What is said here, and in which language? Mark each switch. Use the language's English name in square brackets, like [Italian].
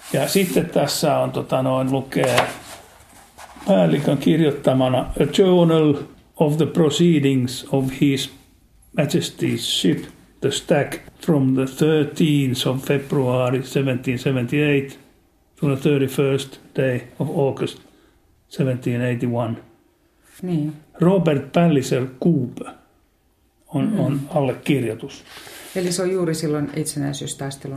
[Finnish] Ja sitten tässä on lukee päällikön kirjoittamana [English] A Journal of the Proceedings of His Majesty's Ship, The Stag, from the 13th of February 1778. From the 31st day of August 1781. [Finnish] Niin. Robert Palliser Coop on, on allekirjoitus. Eli se on juuri silloin itsenäisyystaistelun